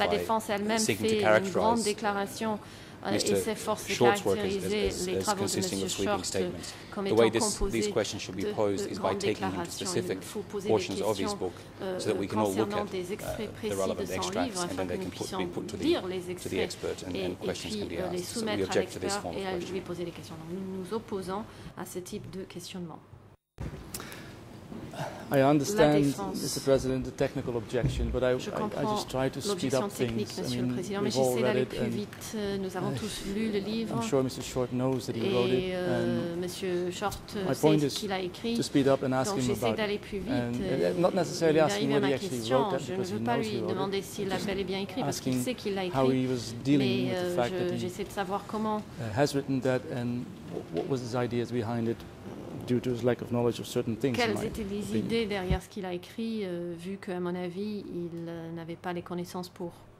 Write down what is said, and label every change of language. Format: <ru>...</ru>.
<fr>La défense elle-même fait une grande déclaration.</fr> <en>Mr. Short's work is consisting of sweeping statements. The way these questions should be posed is by taking him to specific portions of his book so that we can all look at the relevant extracts and then they can be put to the expert and questions can be asked. So we object to this form of question.</en> <fr>Nous nous opposons à ce type de questionnement.</fr> <en>I understand, Mr. President, the technical objection, but I just try to speed up things. I mean, we've all read it, and I'm sure Mr. Short knows that he wrote it. And</en> <fr>Monsieur Short</fr> <en>my point is to speed up and ask him about it. And not necessarily asking whether he actually wrote that, because he knows he wrote it. I'm asking how he was dealing with the fact that he has written that, and what was his ideas behind it, due to his lack of knowledge of certain things.</en> <fr>Quelles étaient les idées derrière ce qu'il a écrit, vu qu'à mon avis, il n'avait pas les connaissances pour.</fr>